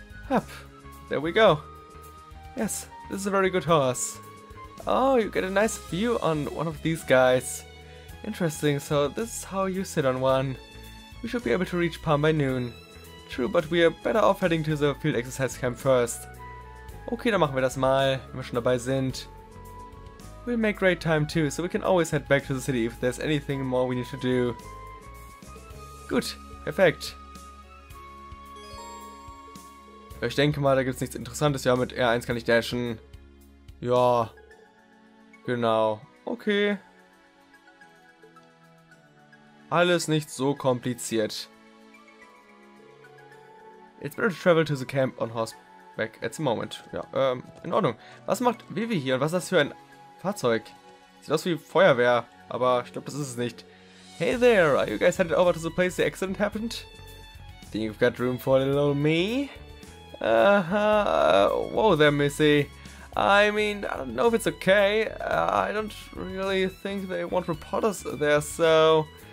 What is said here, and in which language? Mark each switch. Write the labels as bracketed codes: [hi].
[en] Up, there we go. Yes, this is a very good horse. Oh, you get a nice view on one of these guys. Interesting, so this is how you sit on one. We should be able to reach Palm by noon. True, but we are better off heading to the field exercise camp first. [de] Okay, dann machen wir das mal, wenn wir schon dabei sind. [en] We'll make great time too, so we can always head back to the city if there's anything more we need to do. [de] Gut, perfekt. Ich denke mal, da gibt's nichts Interessantes. Ja, mit R1 kann ich dashen. Ja. Genau. Okay. Alles nicht so kompliziert. [en] It's better to travel to the camp on horseback at the moment. [de] Ja, in Ordnung. Was macht Vivi hier und was ist das für ein Fahrzeug? Sieht aus wie Feuerwehr, aber ich glaube, das ist es nicht. [en] Hey there, are you guys headed over to the place the accident happened? Think you've got room for a little me? Whoa there, Missy. I mean, I don't know if it's okay. I don't really think they want reporters there, so...